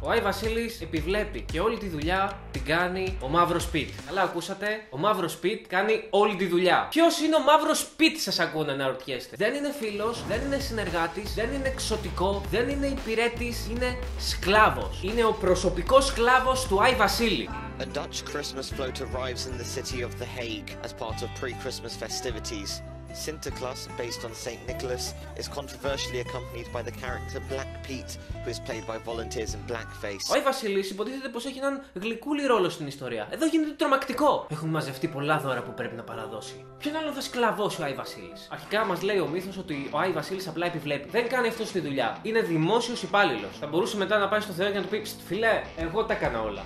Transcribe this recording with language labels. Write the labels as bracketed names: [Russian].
[Greek] Ο Άι Βασίλης επιβλέπει και όλη τη δουλειά την κάνει ο Μαύρος Πιτ. Καλά ακούσατε, ο Μαύρος Πιτ κάνει όλη τη δουλειά. Ποιος είναι ο Μαύρος Πιτ, σας ακούω να αναρωτιέστε? Δεν είναι φίλος, δεν είναι συνεργάτης, δεν είναι εξωτικό, δεν είναι υπηρέτης, είναι σκλάβος. Είναι ο προσωπικός σκλάβος του Άι Βασίλη. [English] A Dutch Christmas float arrives in the city of The Hague as part of pre-Christmas festivities. Sinterklaas, based on Saint Nicholas, is controversially accompanied by the character Black Pete, who is played by volunteers in blackface. [Greek] Ο Άι Βασίλης υποτίθεται πως έχει έναν γλυκούλη ρόλο στην ιστορία. Εδώ γίνεται τρομακτικό. Έχουν μαζευτεί πολλά δώρα που πρέπει να παραδώσει. Ποιον άλλο θα σκλαβώσει ο Άι Βασίλης? Αρχικά μας λέει ο μύθος ότι ο Άι Βασίλης απλά επιβλέπει. Δεν κάνει αυτό στη δουλειά. Είναι δημόσιος υπάλληλος. Θα μπορούσε μετά να πάει στο Θεό και να του πει: φιλέ, εγώ τα έκανα όλα.